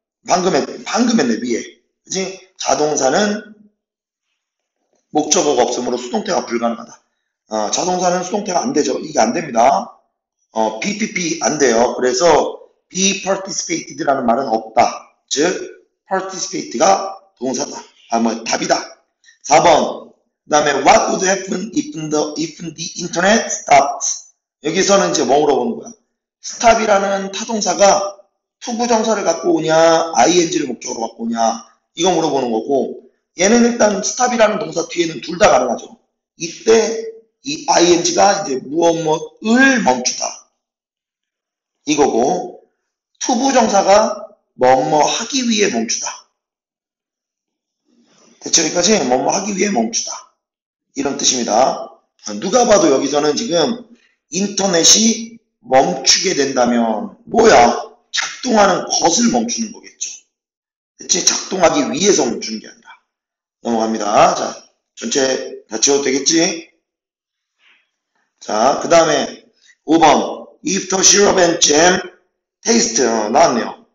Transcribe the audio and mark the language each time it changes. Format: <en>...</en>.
<ko>방금 했네 위에. 그치? 자동사는 목적어가 없으므로 수동태가 불가능하다. 자동사는 수동태가 안 되죠. 이게 안 됩니다. BPP 안 돼요. 그래서 be participated라는 말은 없다. 즉, participate가 동사다. 답이다. 4번. 그 다음에</ko> <en>what would happen if the internet stopped?</en> <ko>여기서는 이제 뭐 물어보는 거야? stop이라는 타동사가 to 부정사를 갖고 오냐, ing를 목적으로 갖고 오냐, 이거 물어보는 거고, 얘는 일단 stop이라는 동사 뒤에는 둘다 가능하죠. 이때 이 ing가 이제 무엇뭇을 멈추다, 이거고, to 부정사가 뭐뭐 하기 위해 멈추다. 대체 여기까지 뭐뭐 하기 위해 멈추다, 이런 뜻입니다. 누가 봐도 여기서는 지금 인터넷이 멈추게 된다면 뭐야? 작동하는 것을 멈추는 거겠죠. 대체 작동하기 위해서 멈추는 게 아니라. 넘어갑니다. 자, 전체 다 지워도 되겠지? 자, 그 다음에 5번.</ko> <en>If the syrup and jam taste</en> <ko>나왔네요.</ko>